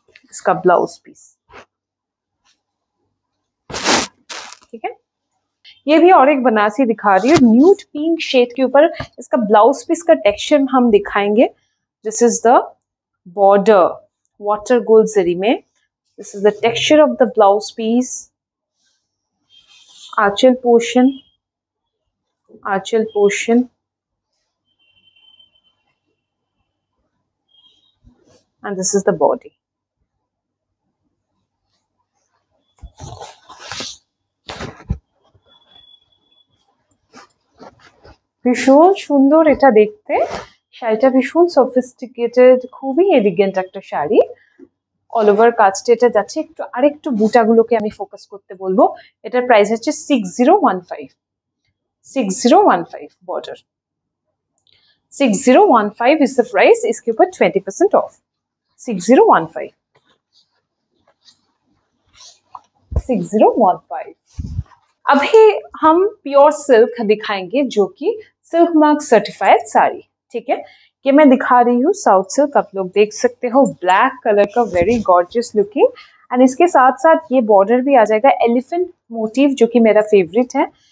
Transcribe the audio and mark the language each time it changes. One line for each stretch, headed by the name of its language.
Hindi: इसका blouse piece, ठीक है, ये भी और एक बनारसी दिखा रही हूँ, न्यूट पिंक शेड के ऊपर इसका ब्लाउज पीस का टेक्सचर हम दिखाएंगे।
English: This is the border water gold zari में, this is the texture of the blouse piece, aanchal portion, aanchal portion.
Hindi: And this is the body, भीषण सुंदर
Bangla: এটা দেখতে, শাড়িটা ভীষণ সফিস্টিকেটেড, খুবই এলিগেন্ট একটা শাড়ি। অল ওভার কাস্ট এটা যাচ্ছে, একটু আরেকটু বুটাগুলোকে আমি ফোকাস করতে বলবো। এটার প্রাইস হচ্ছে 6015, বর্ডার 6015
English: is the price,
Hindi: ইসকে উপর
Bangla: 20% অফ, 6015। 6015।
Hindi: अभी हम प्योर सिल्क दिखाएंगे जो कि सिल्क मार्क सर्टिफाइड साड़ी, ठीक है। ये मैं दिखा रही हूँ साउथ सिल्क, आप लोग देख सकते हो ब्लैक कलर का,
English: Very gorgeous looking.
Hindi: एंड इसके साथ साथ ये बॉर्डर भी आ जाएगा एलिफेंट मोटिव, जो कि मेरा फेवरेट है।